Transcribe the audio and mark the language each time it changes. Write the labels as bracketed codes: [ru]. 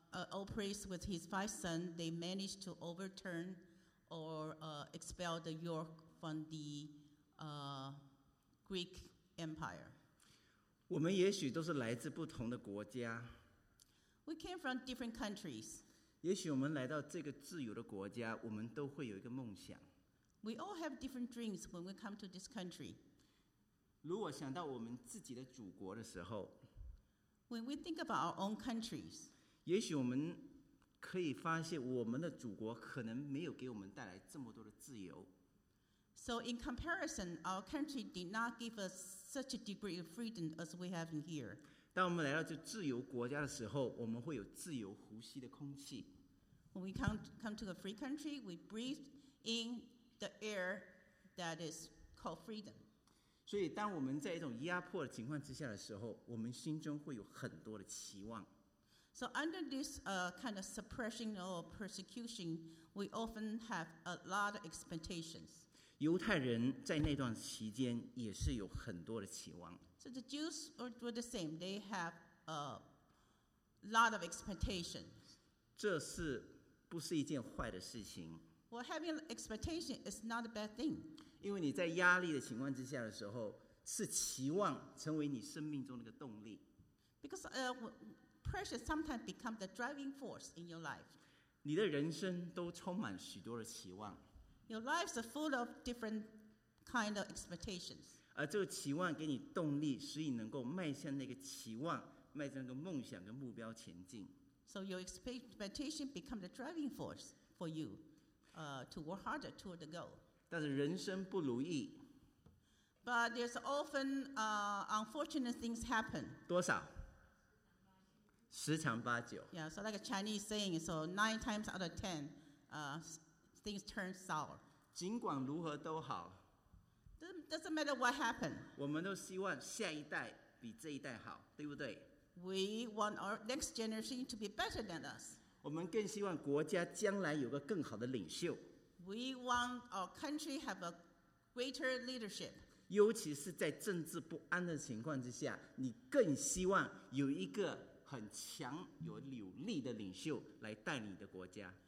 [en] Old priest with his five sons, they managed to overturn or expel the yoke from the Greek Empire. [zh] 我们也许都是来自不同的国家。 [en] We came from different countries. [zh] 也许我们来到这个自由的国家，我们都会有一个梦想。 [en] We all have different dreams when we come to this country. [zh] 如果想到我们自己的祖国的时候， [en] when we think about our own countries, [zh] 也许我们可以发现我们的祖国可能没有给我们带来这么多的自由。 [en] So in comparison, our country did not give us such a degree of freedom as we have in here. [zh] 当我们来到这自由国家的时候，我们会有自由呼吸的空气。 [en] When we come to a free country, we breathe inThe air that is called freedom. [zh] 所以当我们在一种压迫的情况之下的时候，我们心中会有很多的期望。 [en] So under this kind of suppression or persecution, we often have a lot of expectations. [zh] 犹太人在那段期间也是有很多的期望。 [en] So the Jews were the same. They have a lot of expectations. [zh] 这是不是一件坏的事情？ [en] Well, having expectation is not a bad thing. [zh] 因为你在压力的情况之下的时候，是期望成为你生命中的一个动力。 [en] Because pressure sometimes becomes the driving force in your life. [zh] 你的人生都充满许多的期望。 [en] Your lives are full of different kind of expectations. [zh] 而这个期望给你动力，使你能够迈向那个期望，迈向那个梦想跟目标前进。 [en] So your expectation becomes the driving force for you. To work harder toward the goal. [zh] 但是人生不如意。 [en] But there's often unfortunate things happen. [zh] 多少？十常八九。 [en] Yeah, so like a Chinese saying, so nine times out of ten, things turn sour. [zh] 尽管如何都好。 [en] Doesn't matter what happened. [zh] 我们都希望下一代比这一代好，对不对？ [en] We want our next generation to be better than us. [zh] 我们更希望国家将来有个更好的领袖。 [en] We want our country have a greater leadership. [zh] 尤其是在政治不安的情况之下，你更希望有一个很强、有力的领袖来带领你的国家。